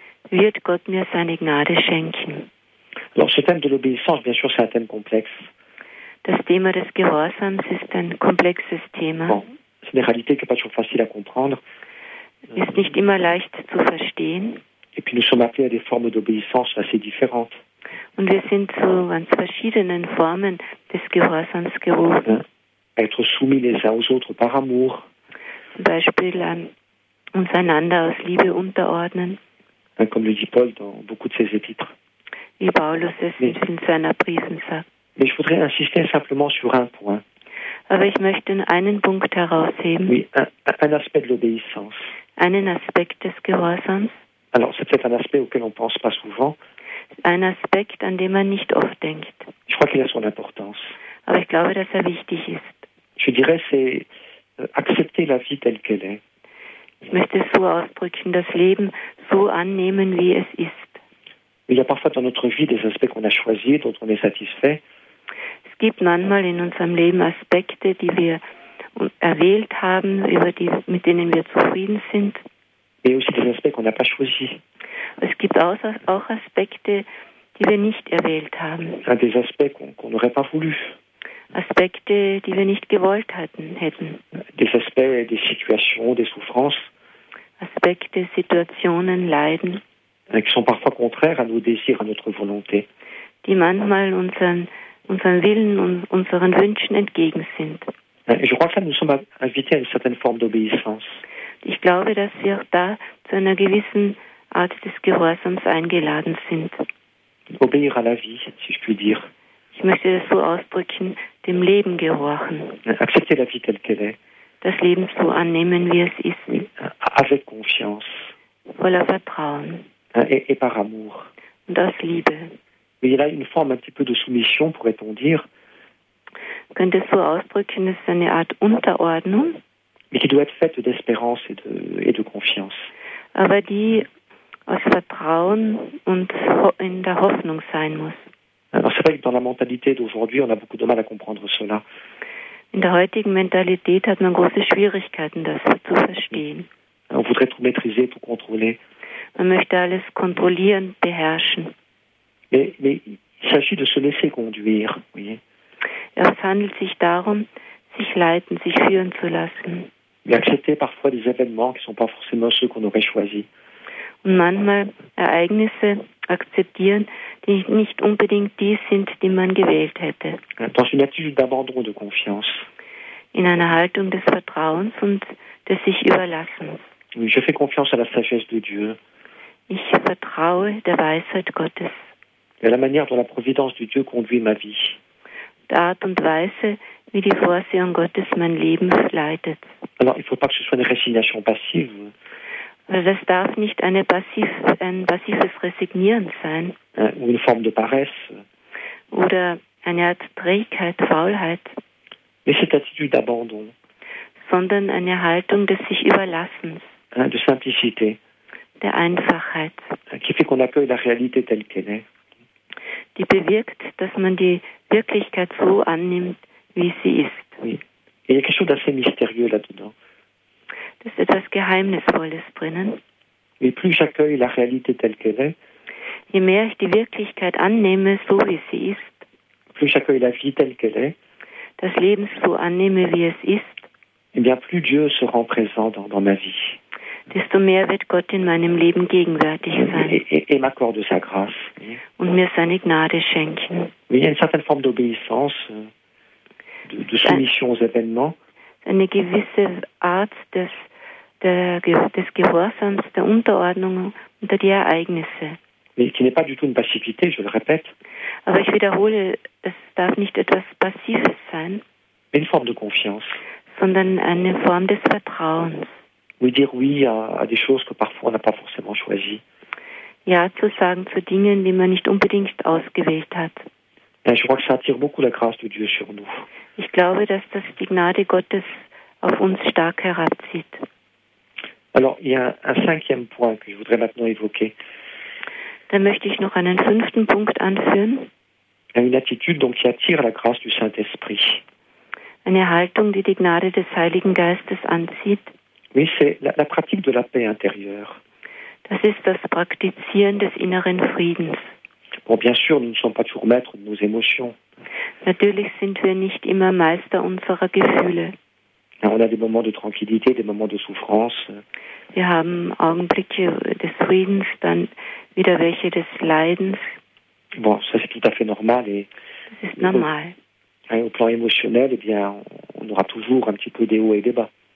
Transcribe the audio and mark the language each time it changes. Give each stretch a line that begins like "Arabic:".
German: Wird Gott mir seine Gnade schenken.
French: Alors, ce thème de l'obéissance, bien sûr, c'est un thème complexe.
German: Das Thema des Gehorsams ist ein komplexes Thema.
French: Bon, c'est une réalité qui n'est pas toujours facile à comprendre.
German: Ist nicht immer leicht zu verstehen.
French: Et puis nous sommes appelés à des formes d'obéissance assez différentes.
German: Und wir sind zu ganz verschiedenen Formen des Gehorsams gerufen.
French: Être soumis les uns aux autres par amour.
German: Zum Beispiel uns einander aus Liebe unterordnen.
French: Comme le dit Paul dans beaucoup de ses épîtres.
German: Wie Paulus es in seiner Briefen sagt.
French: Mais je voudrais insister simplement sur un point.
German: Aber ich möchte einen Punkt herausheben.
French: Oui, un aspect de l'obéissance.
German: Einen Aspekt des Gehorsams.
French: Alors, c'est peut-être un aspect auquel on pense pas souvent.
German: Ein Aspekt, an den man nicht oft denkt.
French: Je crois qu'il a son importance.
German: Aber ich glaube, dass wichtig ist.
French: Je dirais, c'est accepter la vie telle qu'elle est.
German: Ich möchte es so ausdrücken, das Leben so annehmen, wie es ist.
French: Il y a parfois dans notre vie des aspects qu'on a choisis, dont on est satisfait.
German: Es gibt manchmal in unserem Leben Aspekte, die wir erwählt haben, über die, mit denen wir zufrieden sind.
French: Et aussi des aspects qu'on n'a pas choisis.
German: Es gibt auch Aspekte, die wir nicht erwählt haben.
French: Des aspects qu'on n'aurait pas voulu.
German: Aspekte, die wir nicht gewollt hätten.
French: Des aspects, des situations, des souffrances.
German: Aspekte, Situationen, Leiden.
French: Qui sont parfois contraires à nos désirs, à notre volonté.
German: Die manchmal unseren Willen und unseren Wünschen entgegen sind.
French: Je crois que nous sommes invités à une certaine forme d'obéissance.
German: Ich glaube, dass wir auch da zu einer gewissen Art des Gehorsams eingeladen sind.
French: Obéir à la vie, si je puis dire.
German: Ich möchte das so ausdrücken, dem Leben gehorchen.
French: Accepter la vie telle qu'elle est.
German: Das Leben so annehmen, wie es ist.
French: Avec confiance.
German: Voilà, Vertrauen.
French: Et par amour.
German: Und aus Liebe.
French: Mais il y a une forme un petit peu de soumission, pourrait-on dire.
German: Könnte es so ausdrücken, es ist eine Art Unterordnung.
French: Mais qui doit être faite d'espérance et de confiance.
German: Aber die aus Vertrauen und in der Hoffnung sein muss.
French: Alors c'est vrai que dans la mentalité d'aujourd'hui, on a beaucoup de mal à comprendre cela.
German: In der heutigen Mentalität hat man große Schwierigkeiten, das zu verstehen.
French: On voudrait tout maîtriser, tout contrôler.
German: Man möchte alles kontrollieren, beherrschen.
French: Mais il s'agit de se laisser conduire, voyez.
German: Ja, es handelt sich darum, sich leiten, sich führen zu lassen.
French: Mais accepter parfois des événements qui ne sont pas forcément ceux qu'on aurait choisis.
German: Und manchmal Ereignisse akzeptieren, die nicht unbedingt die sind, die man gewählt hätte.
French: Dans une attitude d'abandon de confiance.
German: In einer Haltung des Vertrauens und des sich Überlassens.
French: Je fais confiance à la sagesse de Dieu.
German: Ich vertraue der Weisheit Gottes.
French: Et à la manière dont la providence de Dieu conduit ma vie.
German: Die Art und Weise, wie die Vorsehung Gottes mein Leben leitet.
French: Alors, il ne faut pas que ce soit une résignation passive.
German: Das darf nicht ein passives Resignieren sein.
French: Une forme de paresse.
German: Oder eine Art Trägheit, Faulheit.
French: Mais cette attitude d'abandon.
German: Sondern eine Haltung des sich Überlassens.
French: De simplicité.
German: Der Einfachheit.
French: Qui fait qu'on accueille la réalité telle qu'elle est.
German: Die bewirkt, dass man die Wirklichkeit so annimmt, wie sie ist.
French: Oui. Et il y a quelque chose d'assez mystérieux là-dedans.
German: Es ist etwas Geheimnisvolles drinnen.
French: Mais plus j'accueille la réalité telle qu'elle est,
German: je mehr ich die Wirklichkeit annehme, so wie sie ist,
French: plus j'accueille la vie telle qu'elle est,
German: das Leben so annehme, wie es ist,
French: eh bien plus Dieu se rend présent dans ma vie.
German: Desto mehr wird Gott in meinem Leben gegenwärtig sein.
French: Et m'accorde sa grâce.
German: Und mir seine Gnade schenken.
French: Il y a une certaine forme d'obéissance, de soumission aux événements.
German: Eine gewisse Art des Gehorsams, der Unterordnung unter die Ereignisse.
French: Mais qui n'est pas du tout une passivité, je le répète.
German: Aber ich wiederhole, es darf nicht etwas Passives sein.
French: Mais une forme de confiance.
German: Sondern eine Form des Vertrauens.
French: Oui, dire oui à des choses que parfois on n'a pas forcément choisies.
German: Ja, zu sagen zu Dingen, die man nicht unbedingt ausgewählt hat.
French: Et je crois que ça attire beaucoup la grâce de Dieu sur nous.
German: Ich glaube, dass das die Gnade Gottes auf uns stark herabzieht.
French: Alors, il y a un cinquième point que je voudrais maintenant évoquer.
German: Dann möchte ich noch einen fünften Punkt anführen.
French: Une attitude donc qui attire la grâce du Saint-Esprit.
German: Eine Haltung, die die Gnade des Heiligen Geistes anzieht.
French: Oui, c'est la pratique de la paix intérieure.
German: Das ist das Praktizieren des inneren Friedens.
French: Bon, bien sûr, nous ne sommes pas toujours maîtres de nos émotions.
German: Natürlich sind wir nicht immer Meister unserer Gefühle.
French: On a des moments de tranquillité, des moments de souffrance.
German: Wir haben Augenblicke des Friedens, dann wieder welche des Leidens.
French: Bon, ça c'est tout à fait normal. Et
German: das ist normal.
French: Au plan émotionnel, eh bien, on aura toujours un petit peu des hauts et des bas.